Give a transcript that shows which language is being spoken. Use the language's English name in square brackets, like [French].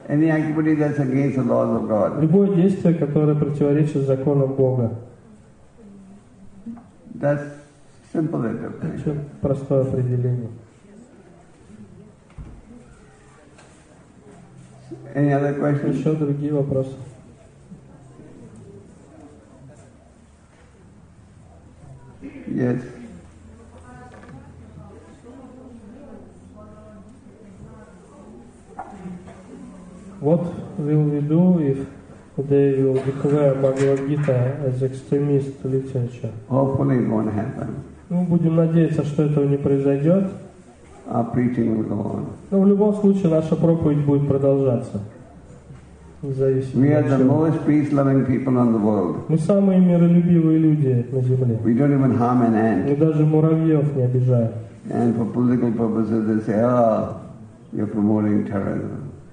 [English] Any activity that's against the laws of God. [Russian] Любое действие, которое противоречит законам Бога. [English] That's simple interpretation. [Russian] Простое определение. [English] Any other questions? [Russian] Еще другие вопросы. [English] Yes. What will we do if they will declare Bhagavad Gita as extremist literature? Hopefully it won't happen. [Russian] Ну, будем надеяться, что этого не произойдет. [English] Our preaching will go on. [Russian] Но в любом случае наша проповедь будет продолжаться. [English] We are the most peace-loving people on the world. [Russian] Мы самые миролюбивые люди на земле. [English] We don't even harm an ant. [Russian] Мы даже муравьев не обижаем. [English] And for political purposes they say, you're promoting terrorism.